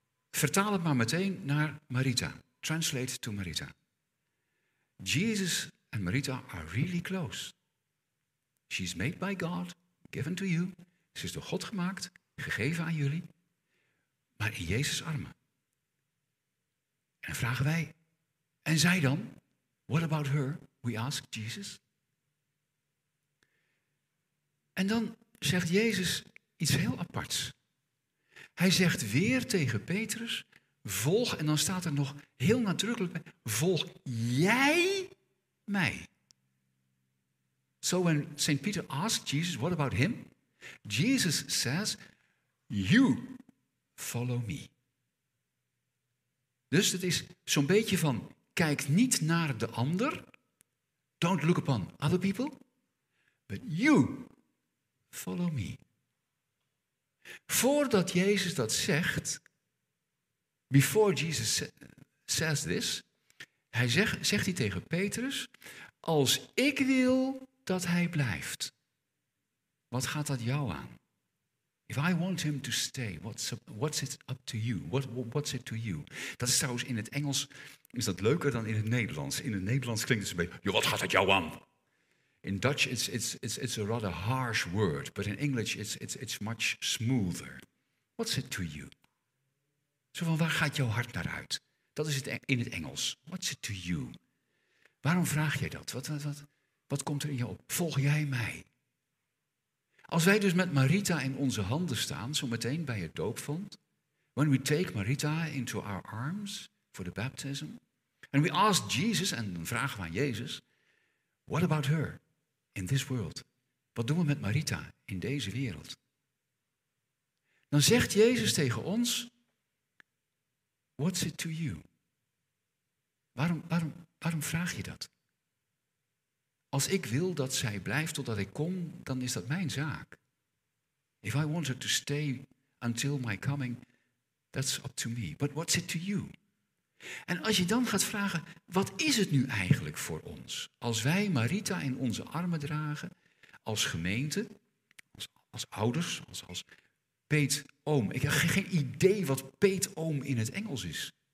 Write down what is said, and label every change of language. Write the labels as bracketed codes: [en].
[nl] Vertaal het maar meteen naar Marita. [en] Translate to Marita. Jesus and Marita are really close. She's made by God, given to you. [nl] Ze is door God gemaakt, gegeven aan jullie. Maar in Jezus' armen. En vragen wij, en zij dan? [en] What about her? We ask Jesus. [nl] En dan zegt Jezus iets heel aparts. Hij zegt weer tegen Petrus, volg, en dan staat er nog heel nadrukkelijk bij, volg jij mij. [en] So when Saint Peter asked Jesus, what about him? Jesus says, you follow me. [nl] Dus het is zo'n beetje van, kijk niet naar de ander. [en] Don't look upon other people. But you follow me. [nl] Voordat Jezus dat zegt, [en] before Jesus says this, [nl] zegt hij tegen Petrus, als ik wil dat hij blijft, wat gaat dat jou aan? [en] If I want him to stay, what's it up to you? What's it to you? [nl] Dat is trouwens in het Engels, is dat leuker dan in het Nederlands. In het Nederlands klinkt het een beetje, wat gaat dat jou aan? [en] In Dutch, it's a rather harsh word, but in English, it's much smoother. What's it to you? [nl] Zo van, waar gaat jouw hart naar uit? Dat is het in het Engels. [en] What's it to you? [nl] Waarom vraag jij dat? Wat komt er in jou op? Volg jij mij? Als wij dus met Marita in onze handen staan, zo meteen bij het doopvond, [en] when we take Marita into our arms for the baptism, and we ask Jesus, [nl] en dan vragen we aan Jezus, [en] what about her in this world? [nl] Wat doen we met Marita in deze wereld? Dan zegt Jezus tegen ons, [en] what's it to you? [nl] Waarom vraag je dat? Als ik wil dat zij blijft totdat ik kom, dan is dat mijn zaak. [en] If I want her to stay until my coming, that's up to me. But what's it to you? [nl] En als je dan gaat vragen, wat is het nu eigenlijk voor ons? Als wij Marita in onze armen dragen, als gemeente, als ouders, als peetoom. Ik heb geen idee wat peetoom in het Engels is.